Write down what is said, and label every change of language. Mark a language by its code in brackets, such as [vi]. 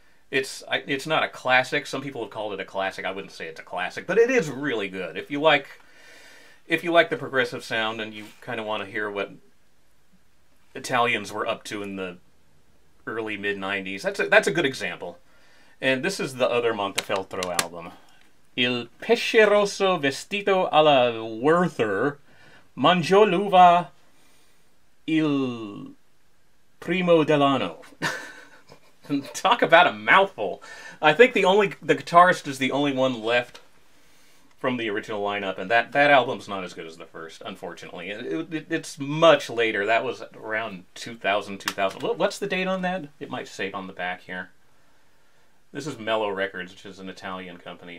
[en] It's not a classic. Some people have called it a classic. I wouldn't say it's a classic, but it is really good. If you like the progressive sound and you kind of want to hear what Italians were up to in the early mid-90s, that's a good example. And this is the other Montefeltro album. [it] Il pesce rosso vestito alla Werther mangiò l'uva il primo dell'anno. [en] Talk about a mouthful. I think the guitarist is the only one left from the original lineup, and that album's not as good as the first, unfortunately. It's much later. That was around 2000. What's the date on that? It might say it on the back here. This is Mellow Records, which is an Italian company.